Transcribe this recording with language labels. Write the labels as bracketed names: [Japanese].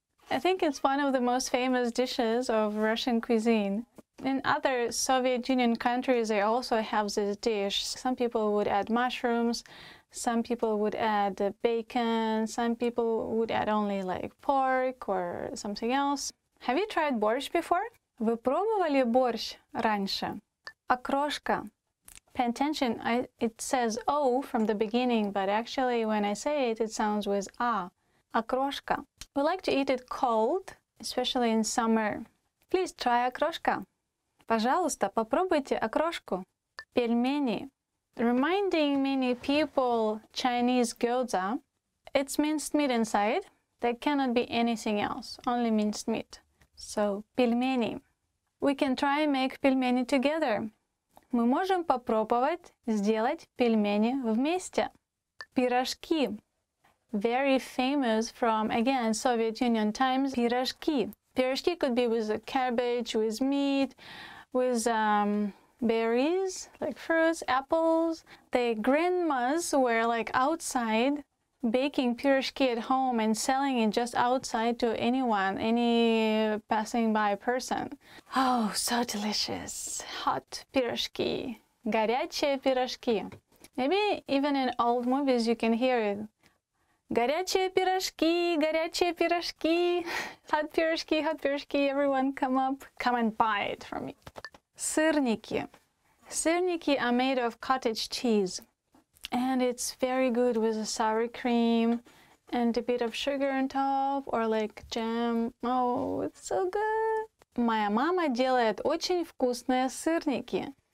[English] I think it's one of the most famous dishes of Russian cuisine. In other Soviet Union countries, they also have this dish. Some people would add mushrooms, some people would add bacon, some people would add only like pork or something else. Have you tried borscht before? [Russian] Вы пробовали борщ раньше? Окрошка. [English] Pay attention, it says O from the beginning, but actually when I say it, it sounds with A. Окрошка. We like to eat it cold, especially in summer. Please try окрошка. [Russian] Пожалуйста, попробуйте окрошку. Пельмени. [English] Reminding many people Chinese gyoza, it's minced meat inside. There cannot be anything else, only minced meat. So, пельмени. We can try make пельмени together. [Russian] Мы можем попробовать сделать пельмени вместе. [English] Пирожки. Very famous from, again, Soviet Union times. Пирожки. Пирожки could be with the cabbage, with meat, with berries, like fruits, apples. The grandmas were like outside baking пирожки at home and selling it just outside to anyone, any passing by person. Oh, so delicious. Hot пирожки. [Russian] Горячие пирожки. [English] Maybe even in old movies you can hear it. [Russian] Горячие пирожки, горячие пирожки. [English] Hot пирожки, hot пирожки. Everyone come up, come and buy it from me. Сырники. Сырники are made of cottage cheese. And it's very good with a sour cream and a bit of sugar on top or like jam. Oh, it's so good. [Russian] Моя мама делает очень вкусные сырники.